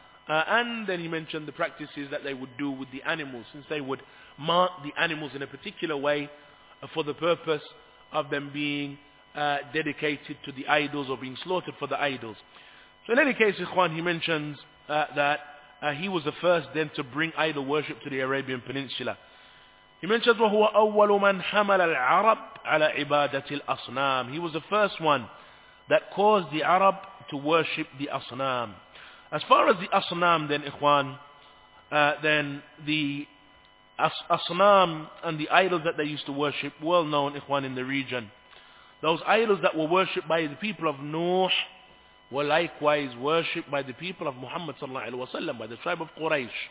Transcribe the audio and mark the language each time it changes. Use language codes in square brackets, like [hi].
[en] And then he mentioned the practices that they would do with the animals, since they would mark the animals in a particular way for the purpose of them being dedicated to the idols or being slaughtered for the idols. So in any case, Ikhwan, he mentions he was the first then to bring idol worship to the Arabian Peninsula. [ar] He mentions, وَهُوَ أَوَّلُ مَنْ حَمَلَ الْعَرَبُ عَلَى عِبَادَةِ الْأَصْنَامِ. [en] He was the first one that caused the Arab to worship the Asnam. As far as the Asnam then, Ikhwan, then the Asnam and the idols that they used to worship, well known, Ikhwan, in the region. Those idols that were worshipped by the people of Nuh were likewise worshipped by the people of Muhammad sallallahu alaihi wasallam, by the tribe of Quraysh.